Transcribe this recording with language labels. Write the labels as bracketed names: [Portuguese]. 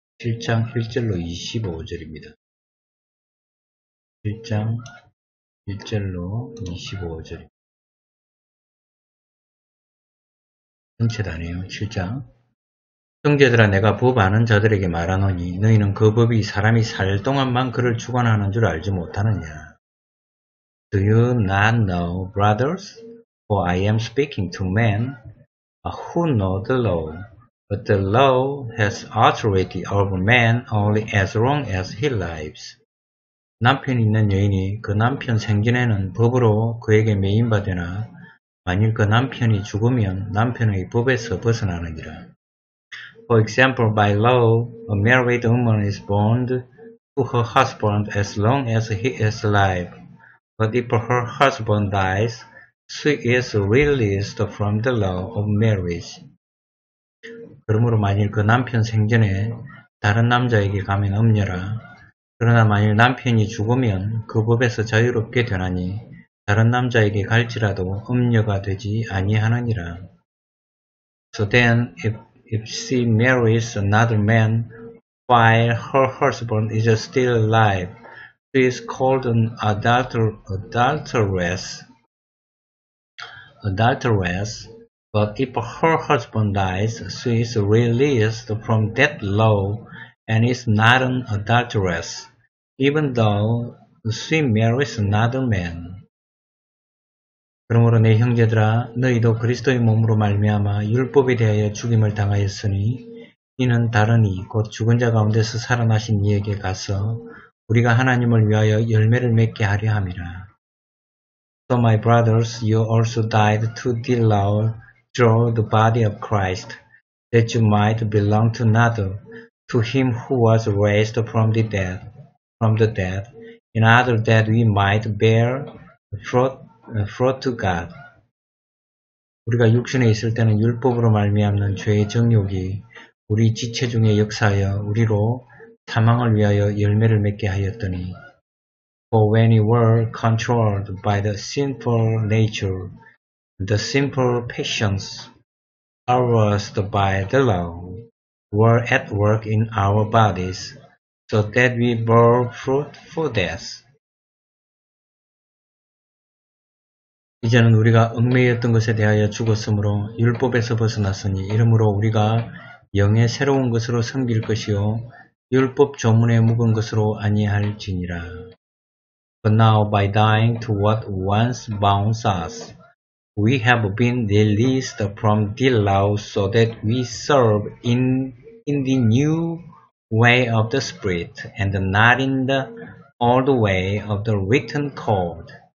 [Korean] 7장 1절로 25절입니다. 7장 1절로 25절입니다. 전체 다네요. 7장. 형제들아 내가 법 아는 자들에게 말하노니 너희는 그 법이 사람이 살 동안만 그를 주관하는 줄 알지 못하느냐. [English] Do you not know, brothers? For I am speaking to men who know the law. But the law has authority over man only as long as he lives. [Korean] 남편이 있는 여인이 그 남편 생전에는 법으로 그에게 매임받으나 만일 그 남편이 죽으면 남편의 법에서 벗어나느니라. [English] For example, by law, a married woman is bound to her husband as long as he is alive. But if her husband dies, she is released from the law of marriage. [Korean] 그러므로 만일 그 남편 생전에 다른 남자에게 가면 음녀라. 그러나 만일 남편이 죽으면 그 법에서 자유롭게 되나니 다른 남자에게 갈지라도 음녀가 되지 아니하느니라. [English] So then, if she marries another man while her husband is still alive, she is called an adulteress. Adulteress. But if her husband dies, she is released from that law and is not an adulteress, even though she marries another man. [Korean] 그러므로 내 형제들아 너희도 그리스도의 몸으로 말미암아 율법에 대하여 죽임을 당하였으니 이는 다른 이 곧 죽은 자 가운데서 살아나신 이에게 가서 우리가 하나님을 위하여 열매를 맺게 하려 함이라. [English] So my brothers, you also died to the law through the body of Christ, that you might belong to another, to him who was raised from the dead, in order that we might bear fruit to God. [Korean] 우리가 육신에 있을 때는 율법으로 말미암는 죄의 정욕이 우리 지체 중에 역사하여 우리로 사망을 위하여 열매를 맺게 하였더니 [English] For when we were controlled by the sinful nature, the sinful passions aroused by the law were at work in our bodies, so that we bore fruit for death. [Korean] 이제는 우리가 얽매였던 것에 대하여 죽었으므로 율법에서 벗어났으니 이러므로 우리가 영의 새로운 것으로 섬길 것이요 율법 조문에 묵은 것으로 아니할지니라. [English] But now by dying to what once bound us, we have been released from the law so that we serve in the new way of the Spirit and not in the old way of the written code.